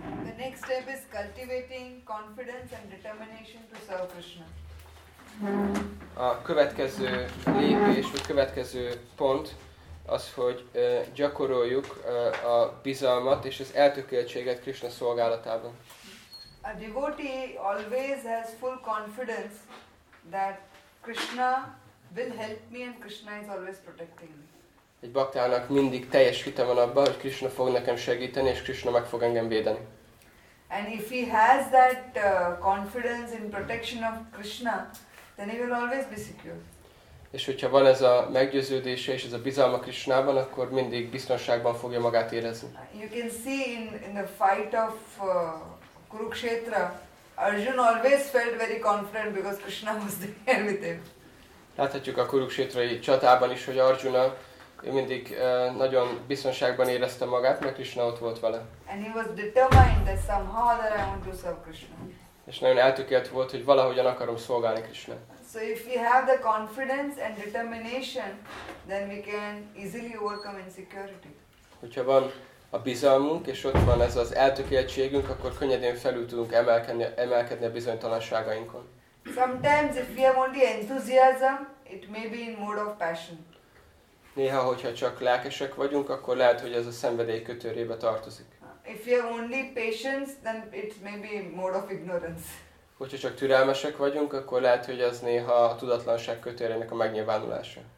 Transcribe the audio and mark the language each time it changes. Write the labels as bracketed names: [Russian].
[English] The next step is cultivating confidence and determination to serve Krishna. [Hungarian] A következő lépés, vagy következő pont az, hogy gyakoroljuk a bizalmat és az eltökéltséget Krishna szolgálatában. [English] A devotee always has full confidence that Krishna will help me and Krishna is always protecting me. [Hungarian] Egy baktának mindig teljes hite van abban, hogy Krishna fog nekem segíteni, és Krishna meg fog engem védeni. [English] And if he has that confidence in protection of Krishna, then he will always be secure. [Hungarian] És hogyha van ez a meggyőződése és ez a bizalma Krishnában, akkor mindig biztonságban fogja magát érezni. [English] You can see in the fight of Kurukshetra, Arjuna always felt very confident because Krishna was there with him. [Hungarian] Láthatjuk a kurukshetrai csatában is, hogy Arjuna ő mindig nagyon biztonságban érezte magát, mert Krishna ott volt vele. [English] And he was determined that somehow that I want to serve Krishna. [Hungarian] És nagyon eltökélt volt, hogy valahogyan akarom szolgálni Krishna. [English] So if we have the confidence and determination, then we can easily overcome insecurity. [Hungarian] Hogyha van a bizalmunk, és ott van ez az eltökéltségünk, akkor könnyedén felül tudunk emelkedni a bizonytalanságainkon. [English] Sometimes if we have only enthusiasm, it may be in mode of passion. [Hungarian] Néha, hogyha csak lelkesek vagyunk, akkor lehet, hogy ez a szenvedély kötőrébe tartozik. [English] If you have only patience, then it may be mode of ignorance. [Hungarian] Hogyha csak türelmesek vagyunk, akkor lehet, hogy ez néha a tudatlanság kötőrének a megnyilvánulása.